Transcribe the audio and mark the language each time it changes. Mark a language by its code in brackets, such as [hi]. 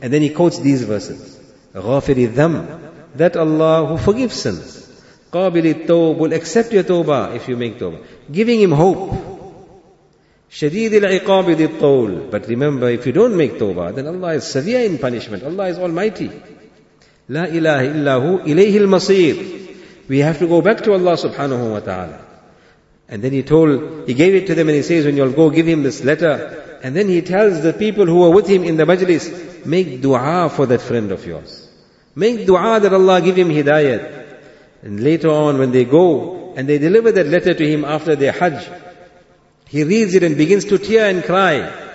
[en] And then he quotes these verses. Ghafiri dham, that Allah who forgives sins. Qabili tawb, will accept your tawbah if you make tawbah. Giving him hope. Shadeed al-iqabi di tawl, but remember, if you don't make tawbah, then Allah is severe in punishment. Allah is almighty. [ar] لا إله إلا هو إليه المصير. [en] We have to go back to Allah subhanahu wa ta'ala. And then he gave it to them and he says, when you'll go give him this letter. And then he tells the people who were with him in the majlis, make dua for that friend of yours. Make dua that Allah give him hidayat. And later on when they go and they deliver that letter to him after their hajj, he reads it and begins to tear and cry.